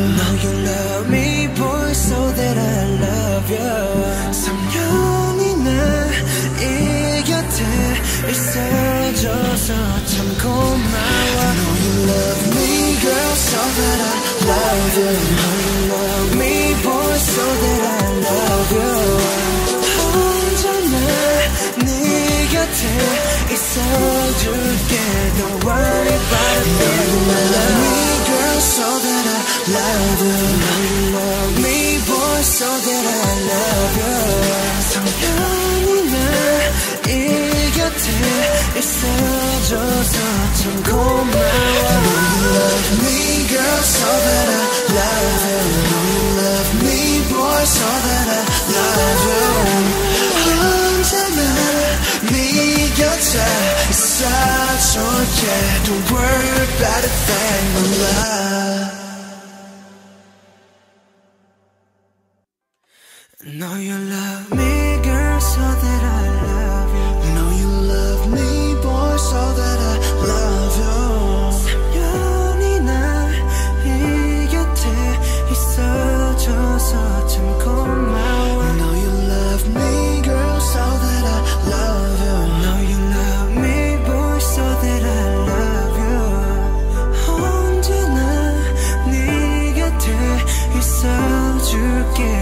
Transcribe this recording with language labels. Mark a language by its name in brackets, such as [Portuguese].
[Korean] 3년이나 이 곁에 있어줘서 참 고마워. [English] I know you love me, girl, so that I love you. I know you love me, boy, so that I love you. [Korean] 언제나 네 곁에 있어줄게. [English] Don't worry about me. I know you love me, girl, so that I love you. I know you love me, boy, so that I love you. [Korean] 3년이나 이 곁에 있어줘서 참 고마워. [English] I know you love me, girl, so that I love you. I know you love me, boy, so that I love you. [Korean] 언제나 네 곁에 있어줄게. [English] Don't worry about a thing, my love. Know you love me, girl, so that I love you. Know you love me, boy, so that I love you. [Korean] 3년이나 이 곁에 있어줘서 참 고마워. [English] Know you love me, girl, so that I love you. Know you love me, boy, so that I love you. [Korean] 언제나 네 곁에 있어줄게.